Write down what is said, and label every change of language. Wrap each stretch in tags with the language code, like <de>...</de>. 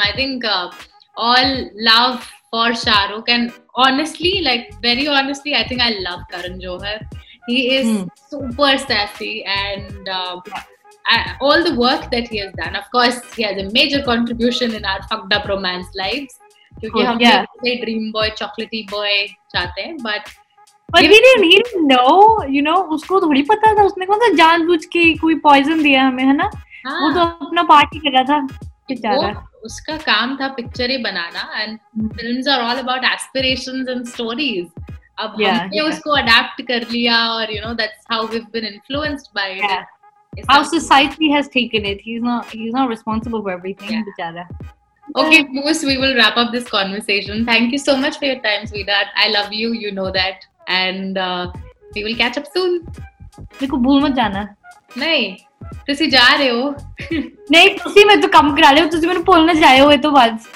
<en>I think all love for Shah Rukh and honestly, like very honestly, I think I love Karan Johar. He is super sassy and all the work that he has done. Of course, he has a major contribution in our fucked up romance lives.</en> <hi>क्योंकि हम भी</hi> <en>dream boy, chocolatey boy</en> <hi>चाहते हैं, but</hi> <en>But he didn't know, you know,</en> <hi>उसको थोड़ी पता था उसने कौन सा जानबूझ के कोई पॉइजन दिया हमें है ना वो तो अपना पार्ट ही कर रहा था उसका काम था picture he banana</hi> <en>and films are all about aspirations and stories</en> <hi>अब हमने उसको अडैप्ट कर लिया</hi> <en>और you know that's how we have been influenced by it how society has taken it he is not responsible for everything बेचारा Okay, Moose, we will wrap up this conversation. Thank you so much for your time, sweetheart. I love you. You know that. And we will catch up soon.</en> <hi>मेरे को भूल मत जाना। नहीं, तुसी जा रहे हो। नहीं, तुसी मैं तो काम करा रही हूँ। तुसी मेरे बोलने जाए हुए तो बाद।</hi>